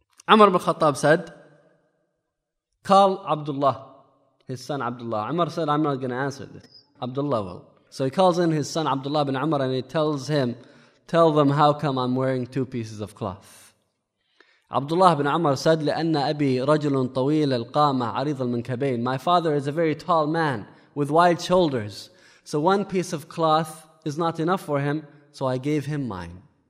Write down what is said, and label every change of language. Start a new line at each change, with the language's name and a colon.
English: Umar al-Khattab said, "Call Abdullah." His son Abdullah. Umar said, "I'm not going to answer this. Abdullah will." So he calls in his son Abdullah bin Umar and he tells him, "Tell them how come I'm wearing two pieces of cloth." Abdullah bin Umar said,
Arabic: "لَأَنَّ أَبِي رَجُلٌ طَوِيلَ الْقَامَةَ عَرِيضَ الْمَنْكَبَيْنِ."
English: My father is a very tall man with wide shoulders. So one piece of cloth is not enough for him, so I gave him mine.